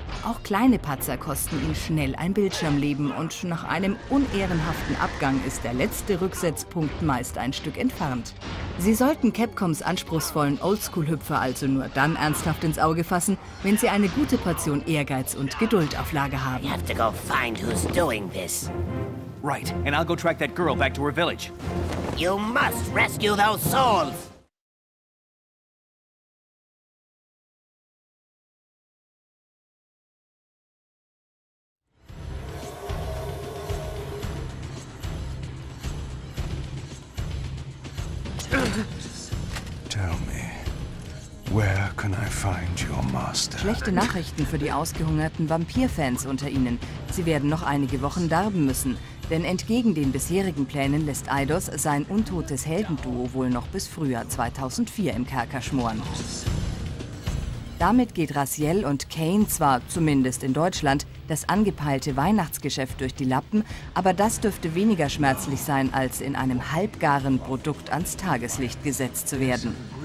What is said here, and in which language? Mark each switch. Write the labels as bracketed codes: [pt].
[de] Auch kleine Patzer kosten ihn schnell ein Bildschirmleben und nach einem unehrenhaften Abgang ist der letzte Rücksetzpunkt meist ein Stück entfernt. Sie sollten Capcoms anspruchsvollen Oldschool-Hüpfer also nur dann ernsthaft ins Auge fassen, wenn sie eine gute Portion Ehrgeiz und Geduld auf Lager haben. [en] You have to go find who's doing this. Right, and I'll go track that girl back to her village. You must rescue those souls! Tell me, where can I find your master? [de] Schlechte Nachrichten für die ausgehungerten Vampirfans unter ihnen. Sie werden noch einige Wochen darben müssen, denn entgegen den bisherigen Plänen lässt Eidos sein untotes Heldenduo wohl noch bis Frühjahr 2004 im Kerker schmoren. Damit geht Raziel und Kane zwar, zumindest in Deutschland, das angepeilte Weihnachtsgeschäft durch die Lappen, aber das dürfte weniger schmerzlich sein, als in einem halbgaren Produkt ans Tageslicht gesetzt zu werden.